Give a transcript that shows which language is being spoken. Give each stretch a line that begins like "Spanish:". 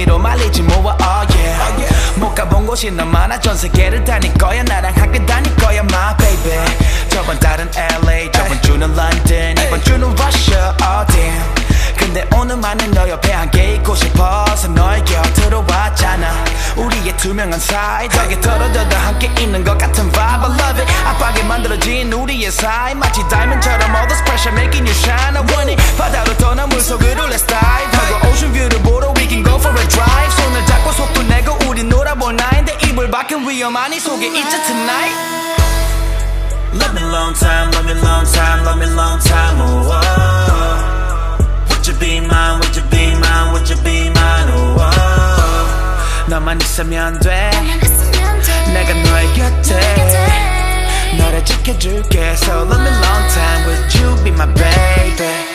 English: about you. Love me long time, love me long time, love me long time, oh, oh. Would you be mine, would you be mine, would you be mine, oh, oh.
Korean: 너만 있으면 돼, 내가 너의 곁에 너를 지켜줄게.
English: So love me long time, would you be my baby.